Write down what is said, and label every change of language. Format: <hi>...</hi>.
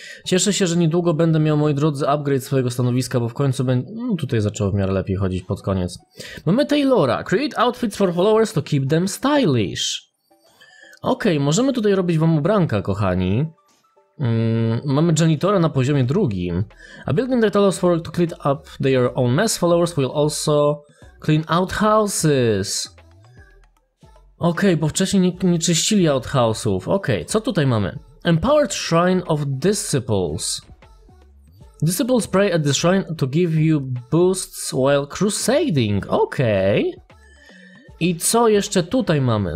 <pl>Cieszę się, że niedługo będę miał, moi drodzy, upgrade swojego stanowiska, bo w końcu będę... No, tutaj zaczęło w miarę lepiej chodzić pod koniec. Mamy Taylora.</pl> <en>Create outfits for followers to keep them stylish.</en> <pl>Okej, możemy tutaj robić wam ubranka, kochani. Mamy janitora na poziomie drugim.</pl> <en>A building that allows for to clean up their own mess, followers will also... Clean outhouses.</en> <pl>Okej, bo wcześniej nie czyścili outhouse'ów. Okej, co tutaj mamy? Empowered Shrine of Disciples.</pl> <en>Disciples pray at the shrine to give you boosts while crusading.</en> <pl>Okej. I co jeszcze tutaj mamy?</pl>